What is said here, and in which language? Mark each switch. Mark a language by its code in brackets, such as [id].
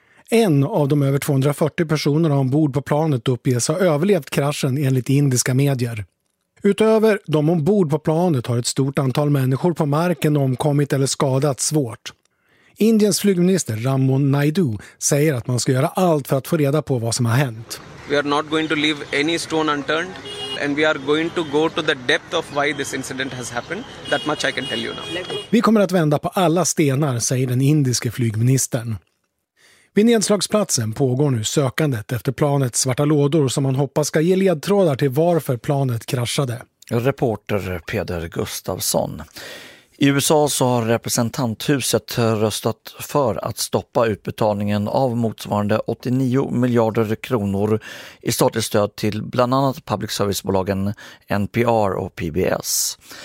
[sv] En av de över 240 personerna ombord på planet uppges ha överlevt kraschen enligt indiska medier. Utöver de ombord på planet har ett stort antal människor på marken omkommit eller skadats svårt. Indiens flygminister Ramon Naidu säger att man ska göra allt för att få reda på vad som har hänt. [en] We are not going to leave any stone unturned and we are going to go to the depth of why this incident has happened. That much I can tell you now. [sv] Vi kommer att vända på alla stenar, säger den indiske flygministern. Vid nedslagsplatsen pågår nu sökandet efter planets svarta lådor som man hoppas ska ge ledtrådar till varför planet kraschade. Reporter Peder Gustafsson. I USA så har representanthuset röstat för att stoppa utbetalningen av motsvarande 89 miljarder kronor i statligt stöd till bland annat public servicebolagen NPR och PBS.